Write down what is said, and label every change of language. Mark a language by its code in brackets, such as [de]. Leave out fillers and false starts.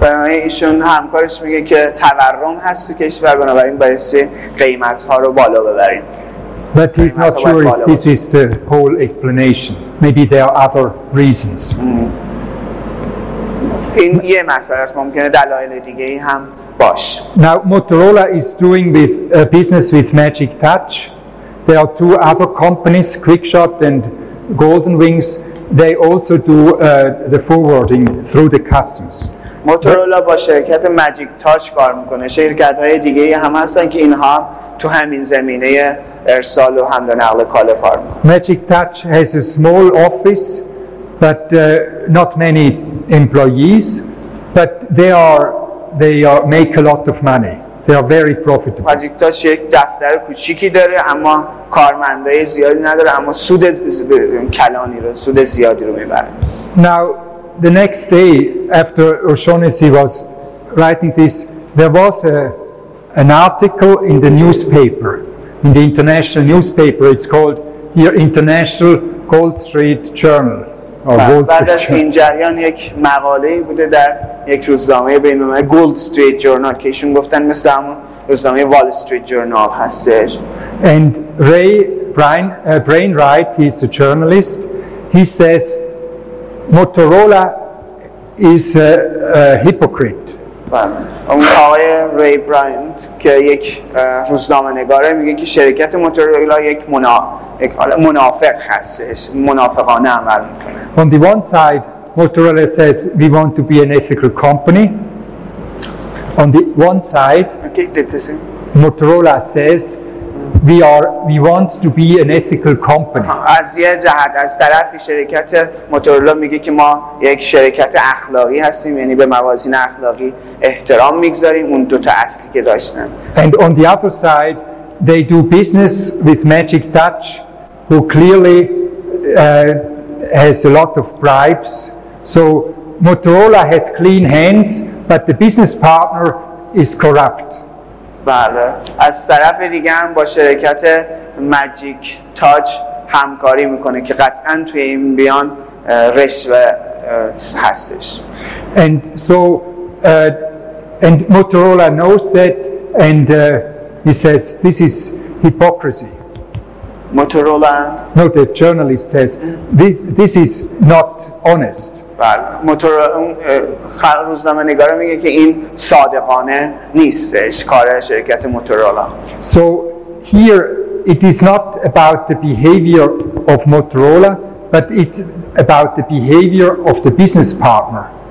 [fa] ایشون همکارش میگه که تورم هست تو کشور، بنابراین بایستی قیمت‌ها رو بالا ببرید. [en] But he's not sure if this is the whole explanation. Maybe there are other reasons. [fa] این یه مسئله است، ممکنه دلایل دیگه‌ای هم باشه. [en] Now Motorola is doing with business with Magic Touch. There are two other companies, Quickshot and Golden Wings. They also do the forwarding through the customs. [fa] Motorola با شرکت Magic Touch کار می‌کنه. شرکت‌های دیگه‌ای هم هستن که اینها تو همین زمینه ارسال و حمل و نقل کالا کار می‌کنن. [en] Magic Touch has a small office but not many employees, but they make a lot of money. They are very profitable. [fa] Magic Touch یک دفتر کوچیکی داره اما کارمندای زیادی نداره، اما سود کلانی رو، سود زیادی رو میبره. [en] Now the next day after O'Shaughnessy was writing this, there was an article in the newspaper, in the international newspaper. It's called here International Gold Street Journal. [fa] بعد از این جریان یک مقاله بوده در یک روزنامه بین المللی Gold Street Journal که ایشون گفتن مثل همون روزنامه Wall Street Journal هستش. [en] And Ray Brainwright, he's a journalist. He says Motorola is a hypocrite. [fa] اون آقای ری برایند که یک روزنامه نگاره میگه که شرکت موتورولا یک منافق هستش، منافقانه عمل میکنه. [en] On the one side Motorola says we want to be an ethical company. On the one side Motorola says we want to be an ethical company. [fa] از یه جهت، از طرفی شرکت موتورولا میگه که ما یک شرکت اخلاقی هستیم، یعنی به موازین اخلاقی احترام میگذاریم، اون دو تا اصلی که داشتن. [en] And on the other side they do business with Magic Touch, who clearly has a lot of bribes. So Motorola has clean hands but the business partner is corrupt. [fa] بله. از طرف دیگه هم با شرکت Magic Touch همکاری میکنه که قطعا توی این بیان رشوه هستش. [en] And so and Motorola knows that, and he says this is hypocrisy. Motorola. No, the journalist says this is not honest. [fa] بله. Motorola روزنامه‌نگار میگه که این صادقانه نیستش، کار شرکت موتورولا. [en] So here it is not about the behavior of Motorola but it's about the behavior of the business partner.